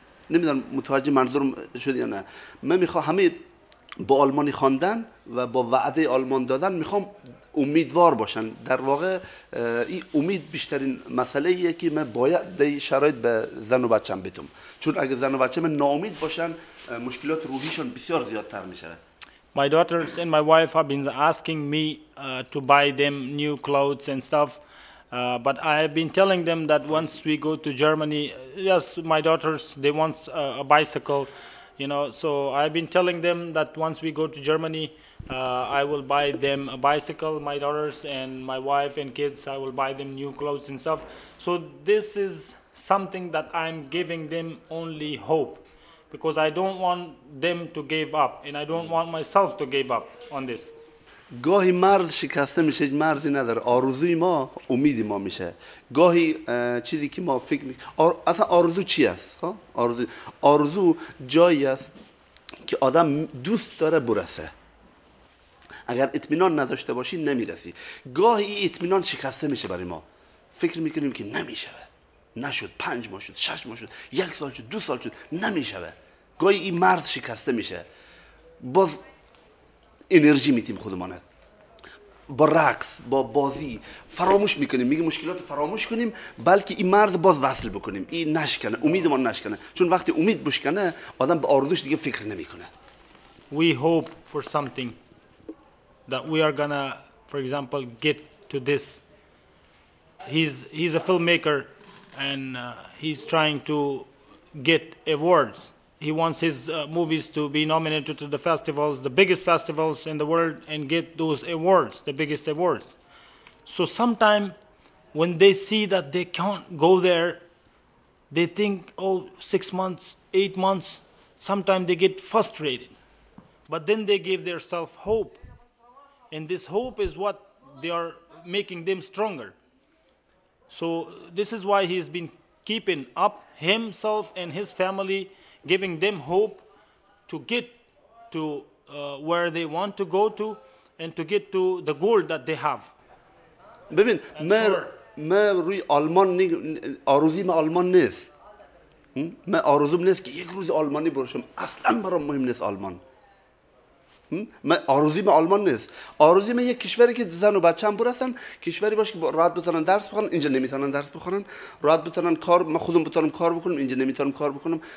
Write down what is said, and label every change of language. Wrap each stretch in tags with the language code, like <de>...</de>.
<fa>نمیدونم متوجه منظورم شد یا نه. من میخوام همه با آلمانی خواندن و با وعده آلمان دادن میخوام امیدوار باشن. در واقع این امید بیشترین مسئله ایه که من باید در شرایط به زن و بچه‌ام بدم، چون اگه زن و بچه‌ام ناامید باشن مشکلات روحیشون بسیار زیادتر میشه.</fa> <en>My daughters and my wife have been asking me to buy them new clothes and stuff, but I have been telling them that once we go to Germany, yes, my daughters, they want a bicycle, you know, so I've been telling them that once we go to Germany, I will buy them a bicycle, my daughters and my wife and kids, I will buy them new clothes and stuff. So this is something that I'm giving them only hope, because I don't want them to give up, and I don't want myself to give up on this.</en> <fa>گاهی مرز شکسته میشه، مرزی نداره. آرزوی ما امید ما میشه. گاهی چیزی که ما فکر میکنیم اصلا آرزو چی است؟ آرزو جایی است که آدم دوست داره برسه. اگر اطمینان نداشته باشی نمیرسی. گاهی این اطمینان شکسته میشه برای ما. فکر میکنیم که نمیشه، نشد، پنج ماه شد، شش ماه شد، یک سال شد، دو سال شد، نمیشه. گاهی این مرز شکسته میشه، باز انرژی میتیم خودمانه، با رقص، با بازی فراموش میکنیم، میگه مشکلات فراموش کنیم، بلکه این مرد باز وصل بکنیم، این نشکنه، امیدمان نشکنه، چون وقتی امید بشکنه آدم به آرزوش دیگه فکر نمیکنه.</fa> <en>We hope for something that we are gonna, for example, get to this. He's a filmmaker and he's trying to get awards. He wants his movies to be nominated to the festivals, the biggest festivals in the world, and get those awards, the biggest awards. So sometime when they see that they can't go there, they think, oh, 6 months, 8 months, sometime they get frustrated. But then they give their self hope. And this hope is what they are making them stronger. So this is why he's been keeping up himself and his family, giving them hope to get to where they want to go to and to get to the goal that they have.</en> <fa>ببین من روی آلمان آرزوی من آلمان نیست. من آرزوم نیست که یک روز آلمانی باشم. اصلا برام مهم نیست آلمان. من آرزوی من آلمان نیست. آرزوی من یک کشوری که زن و بچه‌ام برسن، کشوری باشه که راحت بتونن درس بخونن، اینجا نمیتونن درس بخونن، راحت بتونن کار، من خودم بتونم کار بکنم، اینجا نمیتونم کار بکنم.</fa>